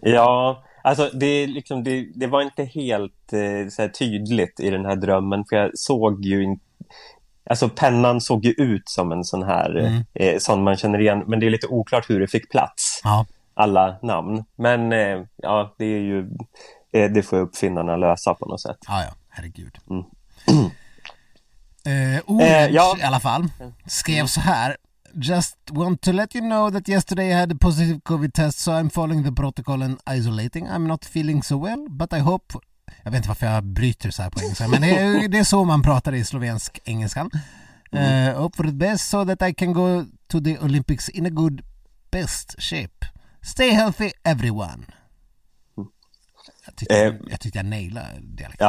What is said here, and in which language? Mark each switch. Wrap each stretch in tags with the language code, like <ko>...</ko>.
<sv>Ja, alltså det liksom, det var inte helt så här tydligt i den här drömmen, för jag såg ju inte, alltså pennan såg ju ut som en sån här, sån man känner igen, men det är lite oklart hur det fick plats, alla namn. Men ja, det är ju, det får ju uppfinnarna lösa på något sätt. Ja, herregud. Ja. I alla fall skrev så här:</sv> <en>just want to let you know that yesterday I had a positive covid test, so I'm following the protocol and isolating. I'm not feeling so well, but I hope.</en> <sv>Jag vet inte varför jag bryter så här på engelska, men det är så man pratar i slovensk engelskan.</sv> <en>Hope for the best so that I can go to the Olympics in a good best shape. Stay healthy everyone.</en> <sv>Jag tyckte jag nailade dialekten.</sv>